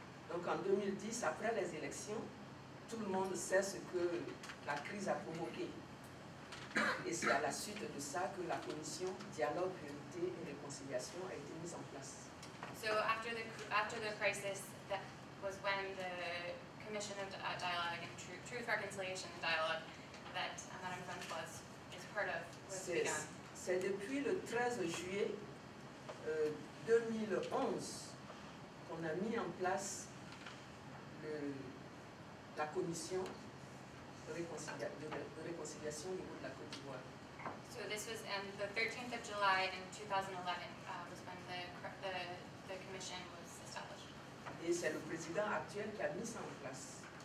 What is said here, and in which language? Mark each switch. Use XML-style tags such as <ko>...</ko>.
<fr>Donc en 2010, après les élections, tout le monde sait ce que la crise a provoqué. Et c'est à la suite de ça que la commission Dialogue, Priorité et Réconciliation a été mise en place.</fr> <en>So after the crisis, that was when the Commission of Dialogue and Truth, Reconciliation and Dialogue that Madame Francoise is part of was begun.</en> <fr>C'est depuis le 13 juillet 2011 qu'on a mis en place la commission de réconciliation au niveau de la Côte d'Ivoire.</fr> <en>So this was on the 13th of July in 2011 was when the commission was established.</en> <fr>Et c'est le président actuel qui a mis ça en place.</fr>